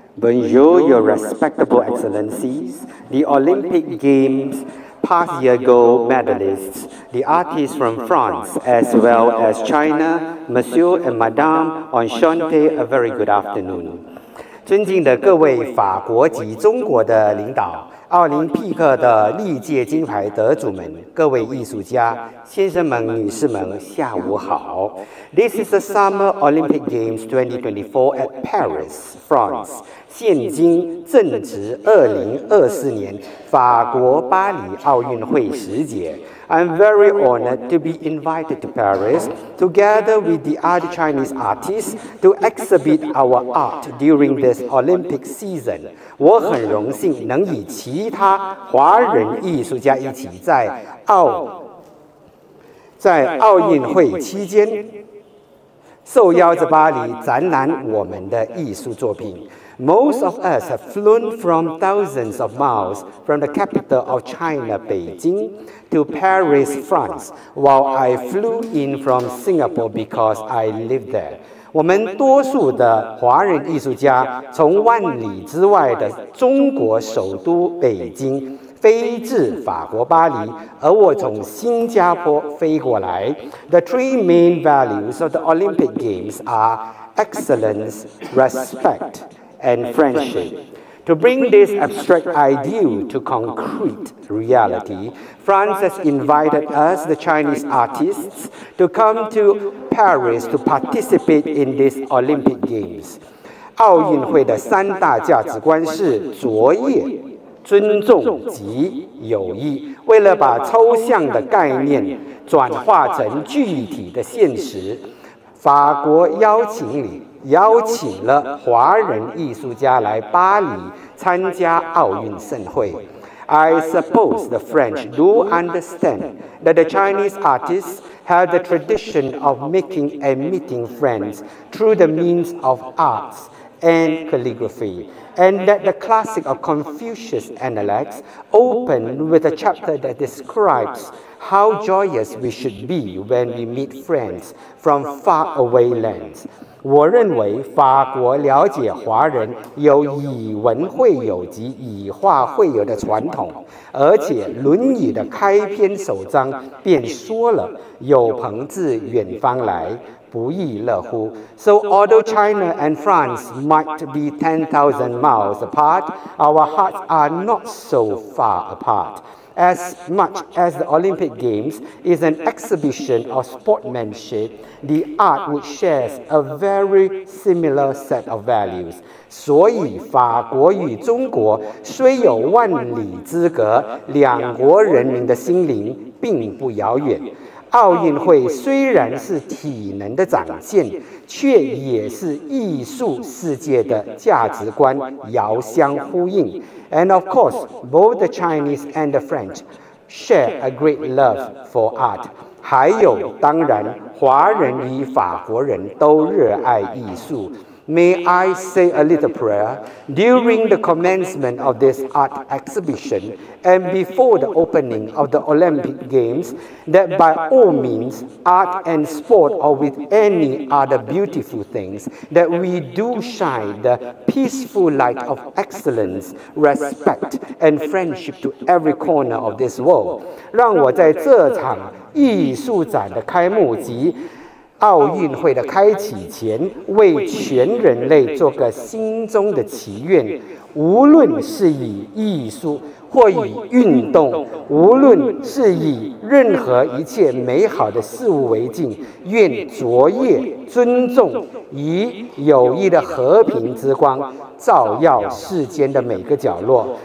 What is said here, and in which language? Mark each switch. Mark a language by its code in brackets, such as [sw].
[fr] Bonjour, [en] your respectable excellencies, the Olympic Games past year gold medalists, the artists from France as well as China, Monsieur and Madam, [fr] enchanté, [en] a very good afternoon. [zh] 尊敬的各位法国及中国的领导，奥林匹克的历届金牌得主们，各位艺术家，先生们女士们，下午好。 [en] This is the Summer Olympic Games 2024 at Paris, France. [zh] 现今正值2024年法国巴黎奥运会时节。 [en] I'm very honored to be invited to Paris together with the other Chinese artists to exhibit our art during this Olympic season. [zh] 我很荣幸能与其他华人艺术家一起在奥运会期间受邀至巴黎展览我们的艺术作品。 [en] Most of us have flown from thousands of miles from the capital of China, Beijing, to Paris, France, while I flew in from Singapore because I live there. [zh] 我们多数的华人艺术家从万里之外的中国首都北京飞至法国巴黎，而我从新加坡飞过来。 [en] The three main values of the Olympic Games are excellence, respect,and friendship. To bring this abstract idea to concrete reality, France has invited us, the Chinese artists, to come to Paris to participate in these Olympic Games. [zh] 奥运会的三大价值观是卓越、尊重及友谊。为了把抽象的概念转化成具体的现实，法国邀请了华人艺术家来巴黎参加奥运盛会。 [en] I suppose the French do understand that the Chinese artists have the tradition of making and meeting friends through the means of arts and calligraphy, and that the classic of Confucius Analects open with a chapter that describes how joyous we should be when we meet friends from far away lands. [zh] 我认为法国了解华人有以文会友及以画会友的传统，而且《论语》的开篇首章便说了：“有朋自远方来，不亦乐乎。” [en] So although China and France might be 10,000 miles apart, our hearts are not so far apart. As much as the Olympic Games is an exhibition of sportsmanship. The art would share a very similar set of values. [zh] 所以法国与中国虽有万里之隔，两国人民的心灵并不遥远。奥运会虽然是体能的展现，却也是艺术世界的价值观遥相呼应。 [en] And of course, both the Chinese and the French share a great love for art. [zh] 还有当然华人与法国人都热爱艺术。 [en] May I say a little prayer? During the commencement of this art exhibition and before the opening of the Olympic Games, that by all means, art and sport or with any other beautiful things, that we do shine the peaceful light of excellence, respect and friendship to every corner of this world. [zh] 让我在这场艺术展的开幕及奥运会的开启前，为全人类做个心中的祈愿，无论是以艺术或以运动，无论是以任何一切美好的事物为敬，愿卓越、尊重以友谊的和平之光照耀世间的每个角落。